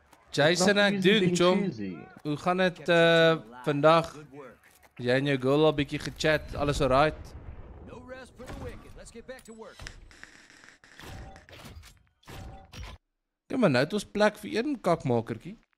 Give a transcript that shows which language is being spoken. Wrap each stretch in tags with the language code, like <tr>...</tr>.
<af>Jason en dude, chom, hoe gaan het vandag? Jy en jou girl al bietjie gechat, alles alright?</af> <en>No rest for the wicked, let's get back to work.</en> <af>Ja man, nou het ons plek vir een kakmakerkie.</af>